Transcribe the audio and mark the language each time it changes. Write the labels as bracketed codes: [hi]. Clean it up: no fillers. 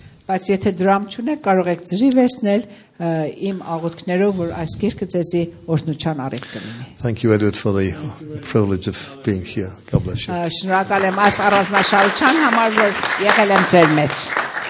[hy] Բայց եթե դրամ չունեք, կարող եք ծրի վերցնել իմ աղոթքներով, որ այս գիրքը ձեզի օրհնության առիթ կլինի։ [en] Thank you, Edward, for the privilege of being here. God bless you. [hy] Շնորհակալ եմ առանձնահատուկ համար, որ եղել եմ ձեր մեջ։